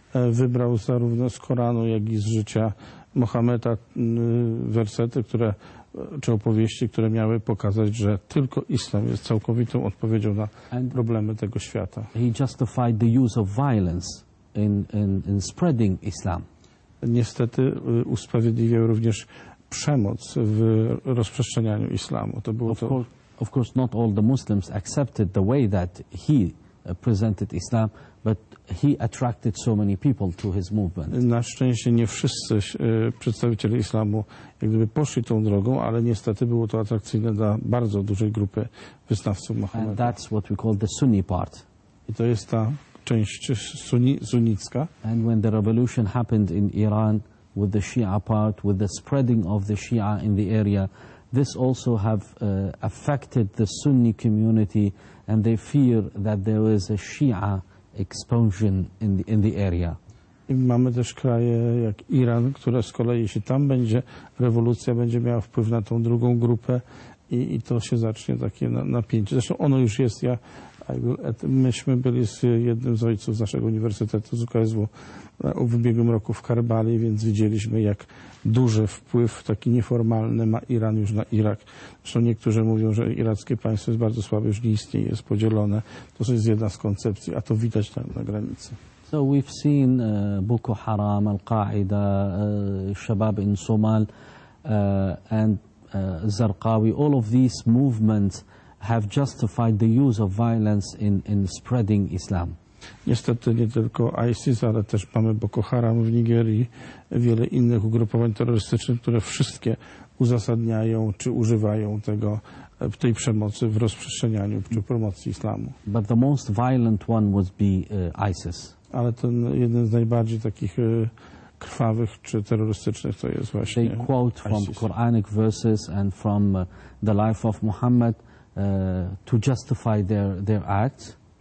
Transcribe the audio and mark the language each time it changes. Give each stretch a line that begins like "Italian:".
Polish: Wybrał zarówno z Koranu, jak i z życia Mohameda wersety, które czy opowieści, które miały pokazać, że tylko Islam jest całkowitą odpowiedzią na problemy tego świata.
English: He justified the use of violence in spreading Islam.
Polish: Niestety usprawiedliwiał również przemoc w rozprzestrzenianiu islamu. To było to.
English: Of course, not all the Muslims accepted the way that he presented Islam, but he attracted so many people to his movement.
Polish: Na szczęście nie wszyscy przedstawiciele islamu jak gdyby poszli tą drogą, ale niestety było to atrakcyjne dla bardzo dużej grupy wyznawców Mohameda.
English: And that's what we call the Sunni part.
Polish: I to jest ta część sunnicka.
English: And when the revolution happened in Iran with the Shia part, with the spreading of the Shia in the area, this also have affected the Sunni community and they fear that there is a Shia expansion in the area.
Polish: I mamy też kraje jak Iran, które z kolei jeśli tam będzie rewolucja, będzie miała wpływ na tą drugą grupę i to się zacznie takie napięcie. Zresztą ono już jest. Myśmy byli z jednym z ojców naszego uniwersytetu z UKSW w ubiegłym roku w Karbali, więc widzieliśmy, jak duży wpływ taki nieformalny ma Iran już na Irak. Zresztą niektórzy mówią, że irackie państwo jest bardzo słabe, już nie istnieje, jest podzielone. To jest jedna z koncepcji, a to widać tam na granicy.
English: So we've seen Boko Haram, Al-Qaida, Shabab in Somal and Zarqawi, all of these movements have justified the use of violence in spreading Islam.
Polish: Niestety nie tylko ISIS, ale też mamy Boko Haram w Nigerii, wiele innych ugrupowań terrorystycznych, które wszystkie uzasadniają czy używają tej przemocy w rozprzestrzenianiu czy promocji islamu.
English: But the most violent one would be ISIS.
Polish: Ale ten jeden z najbardziej takich krwawych czy terrorystycznych to jest właśnie
English: ISIS. They quote from Quranic verses and from the life of Muhammad to justify their acts.